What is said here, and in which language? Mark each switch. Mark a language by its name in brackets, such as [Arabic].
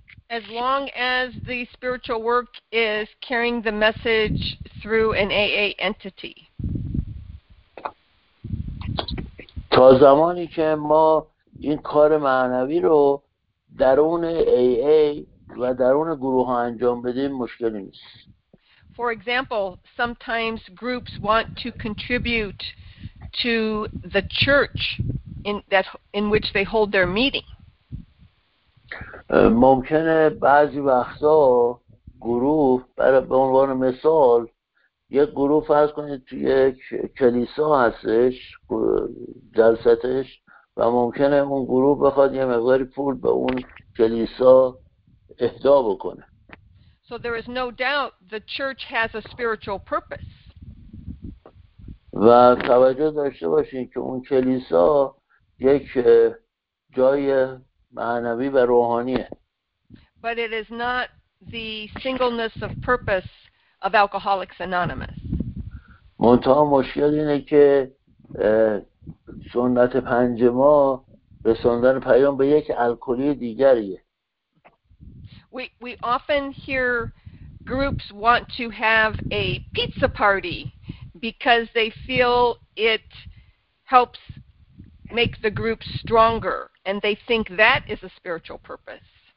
[English] As long as the spiritual work is carrying the message through an AA entity. [Persian] تا زمانی که ما این کار معنوی رو درون AA و درون گروه ها انجام بدیم مشکلی نیست. [English] For example, sometimes groups want to contribute to the church in which they hold their meeting. [Persian] ممکنه بعضی وقتا گروه، برای به عنوان مثال یک گروه فرض کنید توی یک کلیسا هستش جلستش، و ممکنه اون گروه بخواد یه مقداری پول به اون کلیسا اهدا بکنه. [English] So there is no doubt the church has a spiritual purpose. [Persian] و توجه داشته باشین که اون کلیسا یک جای معنوی و روحانیه. [English] But it is not the singleness of purpose of Alcoholics Anonymous. [Persian] منتها مشکل اینه که سنت پنج ما رساندن پیام به یک الکلی دیگریه. [English] We often hear groups want to have a pizza party because they feel it helps make the group stronger. And they think that is a spiritual purpose.